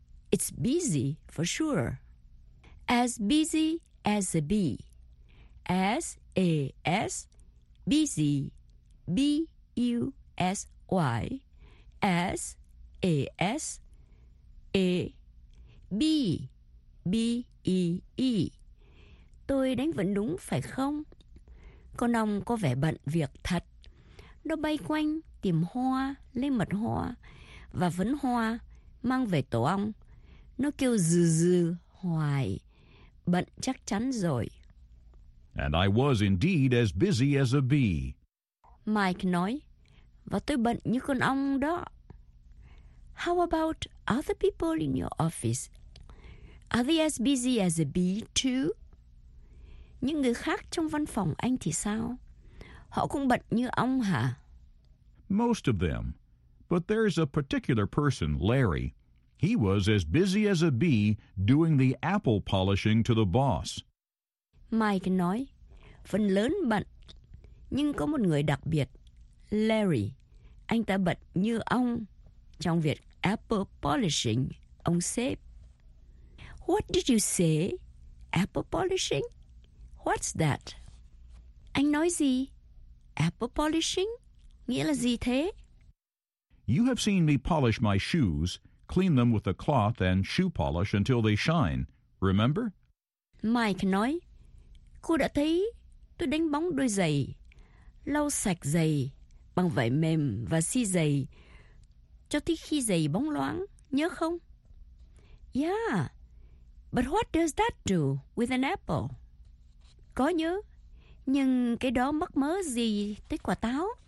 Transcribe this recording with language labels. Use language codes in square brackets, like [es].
[en] It's busy for sure. As busy as a bee. As a s busy b u s y as a s a b b e e. [vi] Tôi đánh vần đúng phải không? Con ong có vẻ bận việc thật. Nó bay quanh tìm hoa, lấy mật hoa và phấn hoa mang về tổ ong. Nó kêu dư dư hoài, bận chắc chắn rồi. [en] And I was indeed as busy as a bee. [vi] Mike nói, và tôi bận như con ong đó. [en] How about other people in your office? Are they as busy as a bee too? [vi] Những người khác trong văn phòng anh thì sao? Họ cũng bận như ong hả? [en] Most of them. But there's a particular person, Larry. He was as busy as a bee doing the apple polishing to the boss. [vi] Mike nói, phần lớn bận, nhưng có một người đặc biệt, Larry. Anh ta bận như ong trong việc apple polishing, ông sếp. [en] What did you say? Apple polishing? What's that? [vi] Anh nói gì? [en] Apple polishing? [vi] Nghĩa là gì thế? [en] You have seen me polish my shoes. Clean them with a cloth and shoe polish until they shine. Remember? [vi] Mike nói, cô đã thấy tôi đánh bóng đôi giày, lau sạch giày bằng vải mềm và xi giày cho tới khi giày bóng loáng, nhớ không? [en] Yeah, but what does that do with an apple? [vi] Có nhớ. Nhưng cái đó mất mớ gì tới quả táo?